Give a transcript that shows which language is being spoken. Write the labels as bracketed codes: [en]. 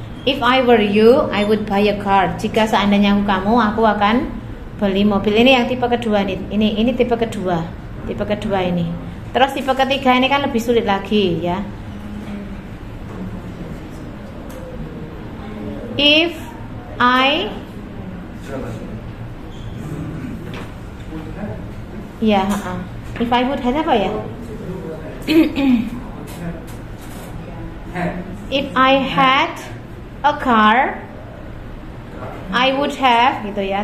[en] If I were you, I would buy a car. [id] Jika seandainya aku akan beli mobil. Ini yang tipe kedua nih. Ini tipe kedua ini. Terus tipe ketiga ini kan lebih sulit lagi ya. [en] If I ya, if I would have apa ya? If I had a car, I would have gitu ya.